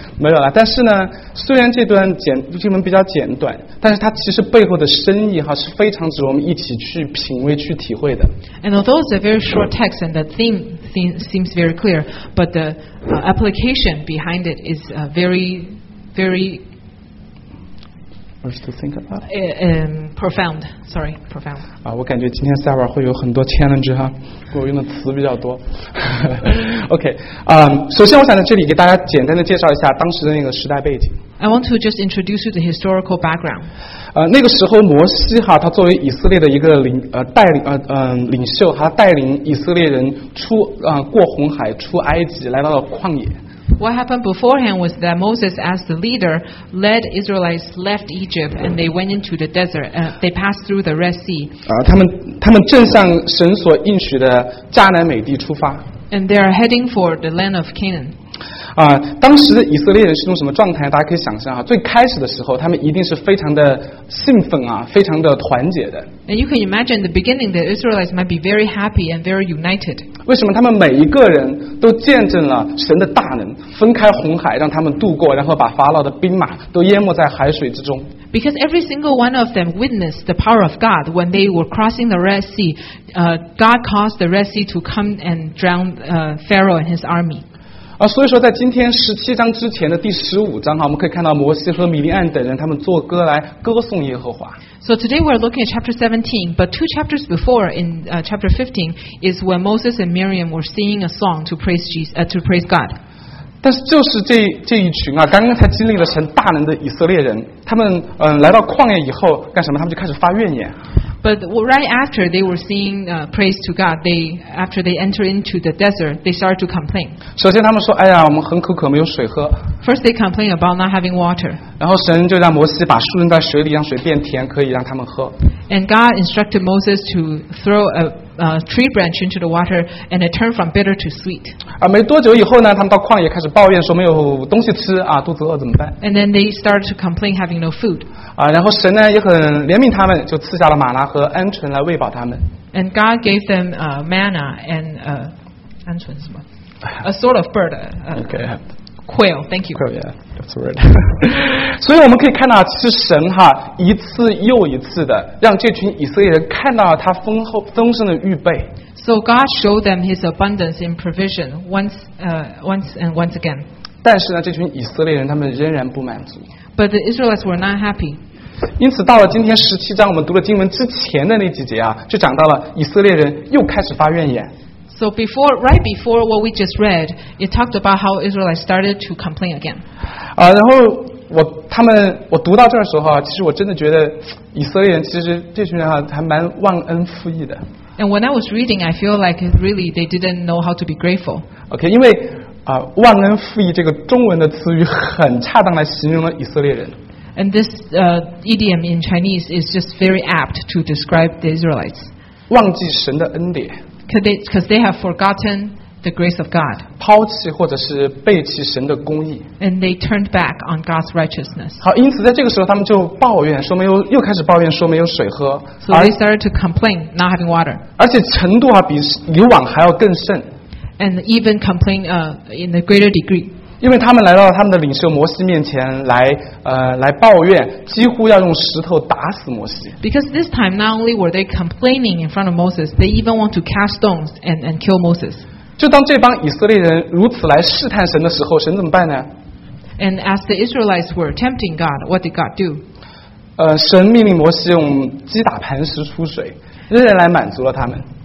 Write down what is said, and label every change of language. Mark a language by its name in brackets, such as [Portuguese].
[Chinese] 没有了，但是呢，虽然这段经文比较简短，但是它其实背后的深意哈是非常值我们一起去品味去体会的。 [English] And although it's a very short text and the theme seems very clear, but the application behind it is very to think about. Profound. Sorry, profound. [Chinese] 啊，我感觉今天 Sarah 会有很多 challenge 哈，我用的词比较多。 OK, 首先我想在这里给大家简单的介绍一下当时的那个时代背景。 [English] I want to just introduce you to the historical background. [Chinese] 那个时候摩西哈，他作为以色列的一个领袖，他带领以色列人出过红海，出埃及，来到了旷野。 [English] What happened beforehand was that Moses, as the leader, led Israelites left Egypt and they went into the desert. They passed through the Red Sea. [Chinese] 他们正向神所应许的迦南美地出发。 [English] And they are heading for the land of Canaan. [Chinese] 当时的以色列人是种什么状态？大家可以想象啊，最开始的时候，他们一定是非常的兴奋啊，非常的团结的。 [English] And you can imagine the beginning, the Israelites might be very happy and very united. [Chinese] 为什么他们每一个人都见证了神的大能，分开红海让他们渡过，然后把法老的兵马都淹没在海水之中？ [English] Because every single one of them witnessed the power of God when they were crossing the Red Sea. God caused the Red Sea to come and drown Pharaoh and his army. [Chinese] 所以说在今天十七章之前的第十五章，我们可以看到摩西和米利暗等人他们作歌来歌颂耶和华。 [English] So today we're looking at chapter 17, but two chapters before, in chapter 15, is when Moses and Miriam were singing a song to praise Jesus, to praise God. [Chinese] 但是就是这一群啊，刚刚才经历了神大能的以色列人，他们来到旷野以后干什么？他们就开始发怨言。 [English] But right after they were singing praise to God, after they entered into the desert, they started to complain. [Chinese] 首先他们说，哎呀，我们很口渴，没有水喝。 [English] First they complained about not having water. [Chinese] 然后神就让摩西把树扔在水里，让水变甜，可以让他们喝。 [English] And God instructed Moses to throw a tree branch into the water, and it turned from bitter to sweet. [Chinese] 没多久以后呢，他们到旷野开始抱怨，说没有东西吃啊，肚子饿怎么办？ [English] And then they started to complain having no food. [Chinese] 然后神呢也很怜悯他们，就赐下了玛拿和鹌鹑来喂饱他们。 [English] And God gave them manna and [Chinese] 鹌鹑什么 [English] ？A sort of bird. Okay. Quail, thank you. Quail, yeah, that's the word. [Chinese] 所以我们可以看到，其实神哈一次又一次的让这群以色列人看到了他丰盛的预备。 [English] So God showed them His abundance in provision once, once and once again. [Chinese] 但是呢，这群以色列人他们仍然不满足。 [English] But the Israelites were not happy. [Chinese] 因此，到了今天十七章，我们读了经文之前的那几节啊，就讲到了以色列人又开始发怨言。 [English] So before, right before what we just read, it talked about how Israelites started to complain again. [Chinese] 然后我读到这儿的时候，其实我真的觉得以色列人其实这群人还蛮忘恩负义的。 [English] And when I was reading, I feel like really they didn't know how to be grateful. [Chinese] Okay, 因为忘恩负义这个中文的词语很恰当来形容了以色列人。 [English] And this idiom in Chinese is just very apt to describe the Israelites. [Chinese] 忘记神的恩典。 [English] Because they have forgotten the grace of God, [Chinese] 抛弃或者是背弃神的公义 [English] and they turned back on God's righteousness. [Chinese] 好，因此在这个时候，他们就抱怨说没有，又开始抱怨说没有水喝。 [English] So they started to complain, not having water. [Chinese] 而且程度比以往还要更甚 [English] and even complain in a greater degree. [Chinese] 因为他们来到他们的领袖摩西面前来抱怨，几乎要用石头打死摩西。 [English] Because this time, not only were they complaining in front of Moses, they even want to cast stones and kill Moses. [Chinese] 就当这帮以色列人如此来试探神的时候，神怎么办呢？ [English] And as the Israelites were tempting God, what did God do? [Chinese] 神命令摩西用击打磐石出水，仍然来满足了他们。